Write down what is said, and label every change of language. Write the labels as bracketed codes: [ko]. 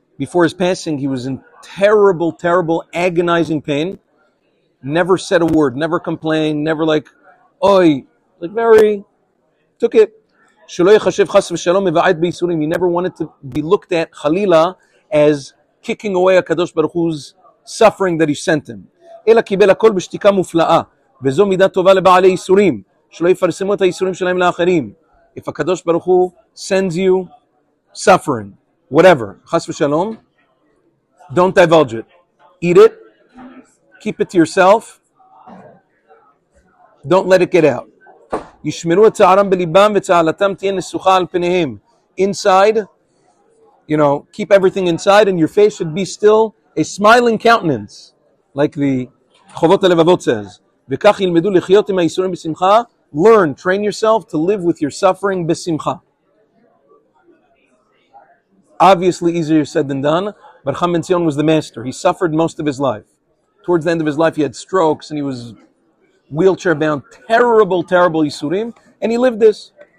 [en] Before his passing, he was in terrible, terrible, agonizing pain. Never said a word, never complained, never like, oi, like very, took it. [he] שלא יחשב חס ושלום מבעד ביסורים. [en] He never wanted to be looked at, חלילה, as kicking away הקדוש ברוך הוא's suffering that he sent him. [he] אלא קיבל הכל בשתיקה מופלאה, וזו מידה טובה לבעלי יסורים, שלא יפרסמו את היסורים שלהם לאחרים. [en] If הקדוש ברוך הוא sends you suffering, whatever, חס ושלום, don't divulge it. Eat it, keep it to yourself, don't let it get out. [he] ישמרו את צערם בליבם וצהלתם תהיה נסוחה על פניהם. [en] Inside, you know, keep everything inside and your face should be still a smiling countenance, like the חובות הלבבות says. [he] וכך ילמדו לחיות עם היסורים בשמחה. [en] Learn, train yourself to live with your suffering בשמחה. Obviously easier said than done, but Chacham Ben Tzion was the master. He suffered most of his life. Towards the end of his life he had strokes and he was wheelchair bound, terrible, terrible Yisurim, and he lived this.